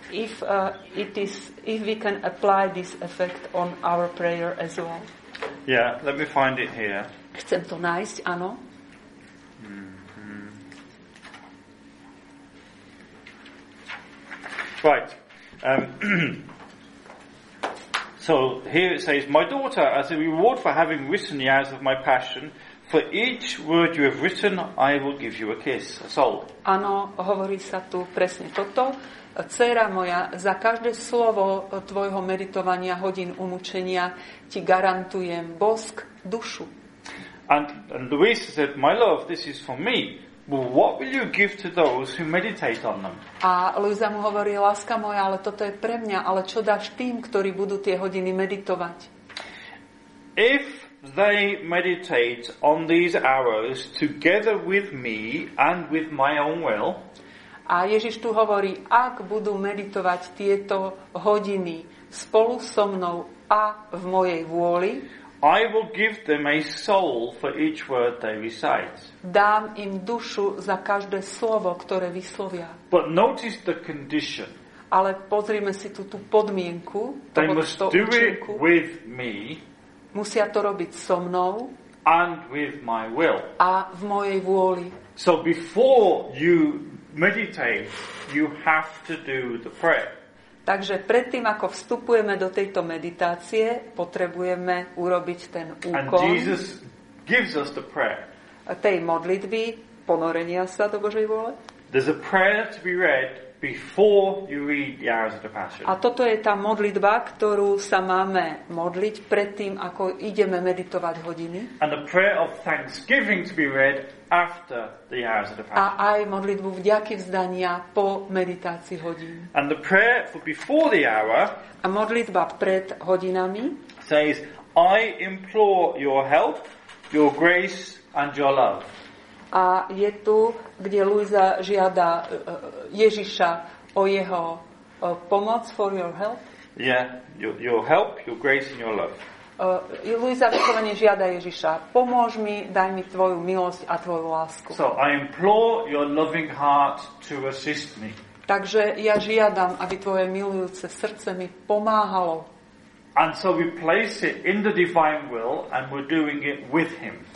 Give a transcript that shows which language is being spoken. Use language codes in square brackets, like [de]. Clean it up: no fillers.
[en] If it is, if we can apply this effect on our prayer as well. Yeah, let me find it here. [sk] Chcem to nájsť, ano. [en] Right. So here it says, my daughter, as a reward for having written the hours of my passion, for each word you have written, I will give you a kiss, a soul. [sk] Áno, hovorí sa tu presne toto. Dcéra moja, za každé slovo tvojho meditovania hodín umučenia ti garantujem bosk dušu. [en] And Louise said, my love, this is for me. Well, what will you give to those who meditate on them? [sk] A Luisa mu hovorí, láska moja, ale toto je pre mňa, ale čo dáš tým, ktorí budú tie hodiny meditovať? [en] If they meditate on these hours together with me and with my own will. [sk] A Ježiš tu hovorí, ak budú meditovať tieto hodiny spolu so mnou a v mojej vôli, [en] I will give them a soul for each word they recite. [sk] Dám im dušu za každé slovo, ktoré vyslovia. [en] But notice the condition. [sk] Ale pozrime si tú podmienku. [en] They must do it with me. [sk] Musia to robiť so mnou. [en] And with my will. [sk] A v mojej vôli. [en] So before you meditate, you have to do the prayer. [sk] Takže predtým, ako vstupujeme do tejto meditácie, potrebujeme urobiť ten úkon. [en] And Jesus gives us the prayer. [sk] Tej modlitby, ponorenia sa do Božej vôle. [en] There's a prayer to be read before you read the hours of the passion. [sk] A toto je tá modlitba, ktorú sa máme modliť predtým, ako ideme meditovať hodiny. [en] And a prayer of thanksgiving to be read after the hours of the passion. [sk] A aj modlitbu vďaky vzdania po meditácii hodín. [en] And the prayer for before the hour. [sk] A modlitba pred hodinami. [en] Says, I implore your help, your grace and your love. [sk] A je tu, kde Luisa žiada Ježiša o jeho pomoc, [en] for your help. Yeah, your help, your grace and your love. [sk] Luisa vyslovene žiada Ježiša, pomôž mi, daj mi tvoju milosť a tvoju lásku. [en] So I implore your loving heart to assist me. [sk] Takže ja žiadam, aby tvoje milujúce srdce mi pomáhalo. [en] And so we place it in the divine will and we're doing it with him.